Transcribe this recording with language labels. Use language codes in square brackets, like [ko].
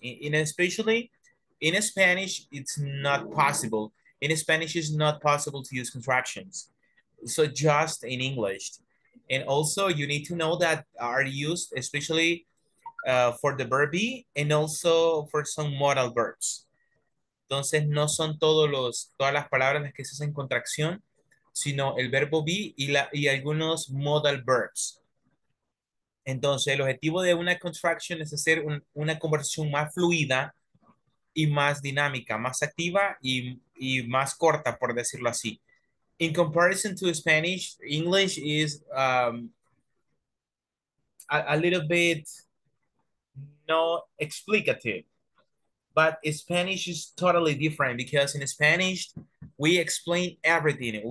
[en] And especially in Spanish, it's not possible. In Spanish, it's not possible to use contractions. So just in English. And also you need to know that are used especially for the verb be and also for some modal verbs. [es] Entonces, no son todas las palabras las que se hacen contracción, sino el verbo be y algunos modal verbs. Entonces, el objetivo de una contraction es hacer una conversación más fluida y más dinámica, más activa y más corta, por decirlo así. [en] In comparison to Spanish, English is a little bit not explicative, but Spanish is totally different because in Spanish, we explain everything.